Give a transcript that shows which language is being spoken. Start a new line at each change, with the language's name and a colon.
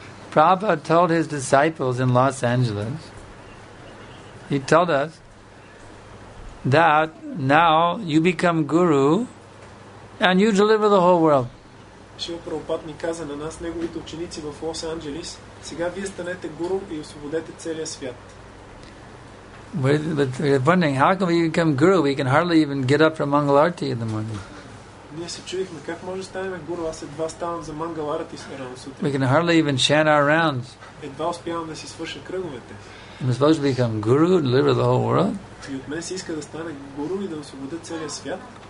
English: Prabhupada told His disciples in Los Angeles, He told us that now you become Guru and you deliver the whole world.
Bulgarian: Шрила Прабхупад ми каза на нас, неговите ученици в Лос Анджелис, сега вие станете гуру и освободете целия свят.
English: But we're wondering, how can we become guru? We can hardly even get up from Mangalarti in the morning.
Bulgarian: Ние се чудихме, как може да станем гуру? Аз едва ставам за Мангаларти рано сутрин.
English: We can hardly even chant our rounds.
Bulgarian: Едва успявам да си свърша кръговете.
English: I'm supposed to become guru and deliver the whole world?
Bulgarian: И от мен се иска да стане гуру и да освободя целия свят.